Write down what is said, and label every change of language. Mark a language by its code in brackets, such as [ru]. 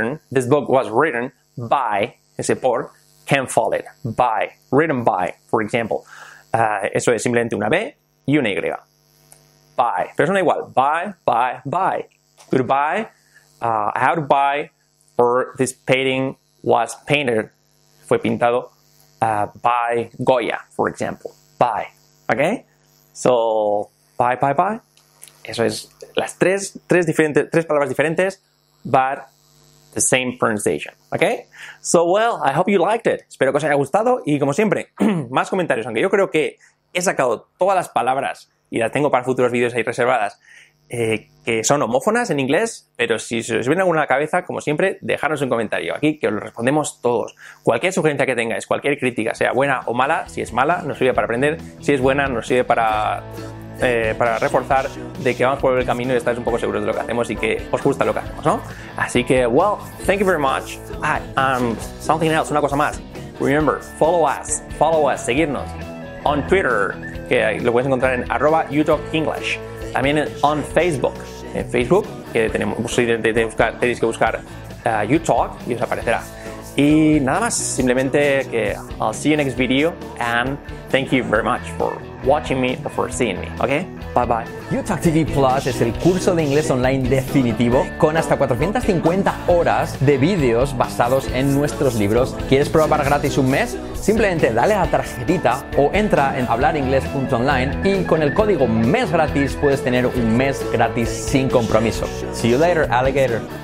[en] This book was written by, [es] ese por, [en] Ken Follett. By, written by, for example. [es] Eso es simplemente una B y una Y. [en] By, [es] pero suena igual. [en] By, by, by. Goodbye. How to buy, or this painting was painted, [es] fue pintado, [en] by Goya, for example. By, okay? So, bye, bye, bye. [es] Eso es las tres palabras diferentes, [en] but the same pronunciation, okay? So, well, I hope you liked it. [es] Espero que os haya gustado y, como siempre, más comentarios. Aunque yo creo que he sacado todas las palabras y las tengo para futuros vídeos ahí reservadas, que son homófonas en inglés, pero si se os viene alguna a la cabeza, como siempre, dejadnos un comentario aquí, que os lo respondemos todos. Cualquier sugerencia que tengáis, cualquier crítica, sea buena o mala, si es mala, nos sirve para aprender, si es buena, nos sirve para reforzar de que vamos por el camino y estáis un poco seguros de lo que hacemos y que os gusta lo que hacemos, ¿no? Así que, [en] well, thank you very much. Something else, [es] una cosa más. [en] Remember, follow us, [es] seguirnos [en] on Twitter, [es] que lo puedes encontrar en @YouTalkEnglish. También [en] on Facebook. [es] En Facebook, que tenéis que buscar YouTalk y os aparecerá. Y nada más, simplemente que [en] I'll see you next video and thank you very much for watching me or for seeing me, okay? Bye bye. [es] YouTalk TV Plus es el curso de inglés online definitivo con hasta 450 horas de vídeos basados en nuestros libros. ¿Quieres probar gratis un mes? Simplemente dale a la tarjetita o entra en hablaringles.online y con el código MESGRATIS puedes tener un mes gratis sin compromiso. [en] See you later, alligator.